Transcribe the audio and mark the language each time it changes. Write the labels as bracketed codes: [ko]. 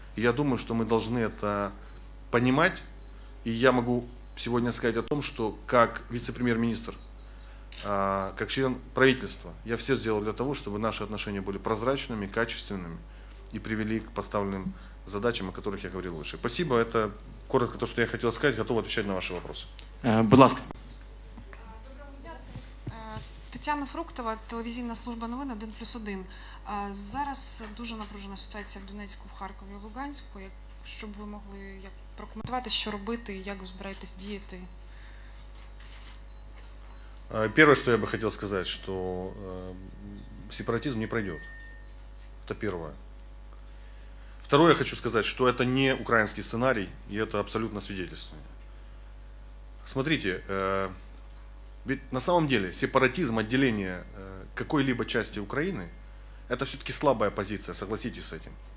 [ru] И я думаю, что мы должны это понимать. И я могу сегодня сказать о том, что как вице-премьер-министр, как член правительства, я все сделал для того, чтобы наши отношения были прозрачными, качественными и привели к поставленным задачам, о которых я говорил выше. Спасибо. Это коротко то, что я хотел сказать. Готов отвечать на ваши вопросы. [uk] Будь ласка. Тетяна Фруктова, телевізійна служба новин 1+1. Зараз дуже напружена ситуація в Донецьку, в Харкові, в Луганську. Щоб ви могли прокоментувати, що робити і як ви збираєтесь діяти? Перше, що я би хотів сказати, що сепаратизм не пройде. Це перше. [ru] Второе, я хочу сказать, что это не украинский сценарий, и это абсолютно свидетельствует. Смотрите, ведь на самом деле сепаратизм, отделение какой-либо части Украины, это все-таки слабая позиция, согласитесь с этим.